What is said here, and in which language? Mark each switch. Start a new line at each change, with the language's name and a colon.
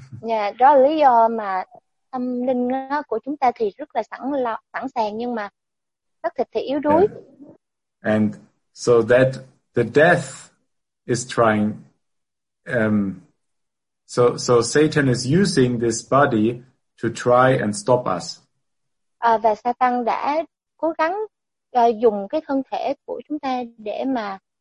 Vietnamese: Yeah, đó là lý do mà tâm linh của chúng ta thì rất là sẵn sàng nhưng mà xác thịt thì yếu đuối. Yeah.
English: And so that the death is trying so Satan is using this body to try and stop us.
Vietnamese: Và Satan đã cố gắng dùng cái thân thể của chúng ta để mà